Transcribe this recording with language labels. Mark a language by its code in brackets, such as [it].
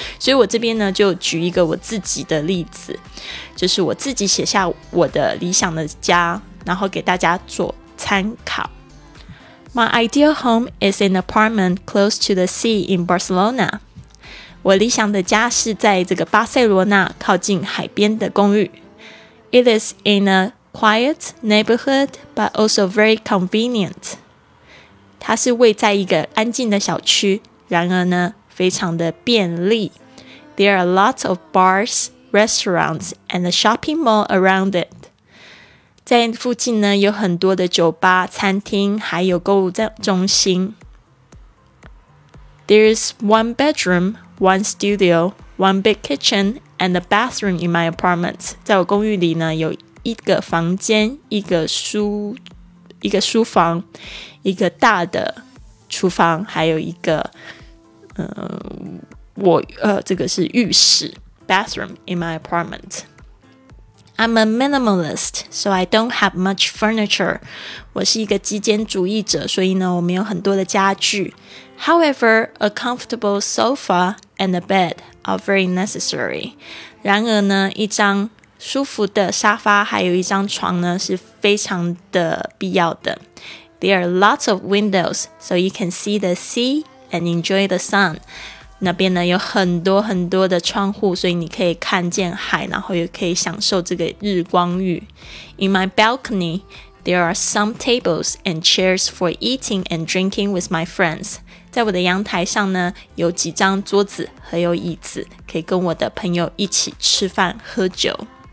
[zh] 所以我这边呢就举一个我自己的例子，就是我自己写下我的理想的家，然后给大家做参考。 [en] My ideal home is an apartment close to the sea in Barcelona. [zh] 我理想的家是在这个巴塞罗那靠近海边的公寓。 [en] It is in a quiet neighborhood, but also very convenient. [zh] 它是位在一个安静的小区，然而呢，非常的便利。 [en] There are lots of bars, restaurants, and a shopping mall around it. [zh] 在附近呢，有很多的酒吧、餐厅，还有购物中心。 [en] There is one bedroom, one studio, one big kitchen,and the bathroom in my apartment. [zh] 在我公寓里呢，有一个房间，一个书房，一个大的厨房，还有一个这个是浴室 [en] bathroom in my apartment. I'm a minimalist, so I don't have much furniture. [zh] 我是一个极简主义者，所以呢，我没有很多的家具。 [en] However, a comfortable sofa and a bed are very necessary. [zh] 然而呢，一张舒服的沙发还有一张床呢，是非常的必要的。 [en] There are lots of windows, so you can see the sea and enjoy the sun. [zh] 那边呢，有很多很多的窗户，所以你可以看见海，然后也可以享受这个日光浴。 [en] In my balcony,There are some tables and chairs for eating and drinking with my friends. [zh] 在我的阳台上呢，有几张桌子和有椅子，可以跟我的朋友一起吃饭喝酒。